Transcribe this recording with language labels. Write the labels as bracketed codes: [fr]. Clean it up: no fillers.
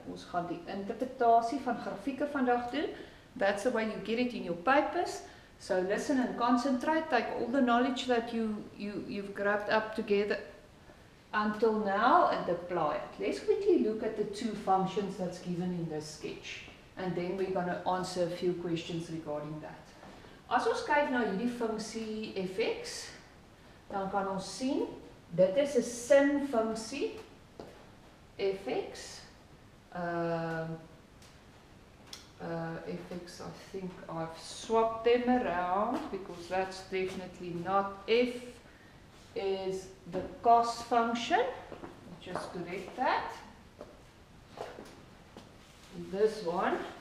[af] Ons gaan die interpretatie van grafieke vandag doen. [en] That's the way you get it in your papers. So listen and concentrate. Take all the knowledge that you've grabbed up together until now and apply it. Let's quickly look at the two functions that's given in this sketch. And then we're going to answer a few questions regarding that. [af] As ons kyk na hierdie funksie fx, dan kan ons sien, dit is 'n sin funksie fx. [en] Fx, I think I've swapped them around, because that's definitely not f, is the cos function. Let's just correct that. This one.